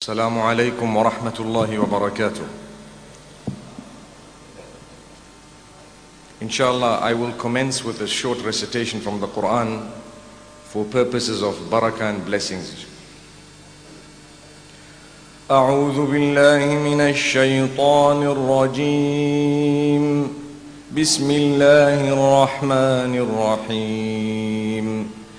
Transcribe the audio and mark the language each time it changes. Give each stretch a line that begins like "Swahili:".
Arabic: السلام عليكم ورحمة الله وبركاته.
English: Inshallah, I will commence with a short recitation from the Quran for purposes of barakah and blessings.
Arabic: أعوذ بالله من الشيطان الرجيم. بسم الله الرحمن الرحيم.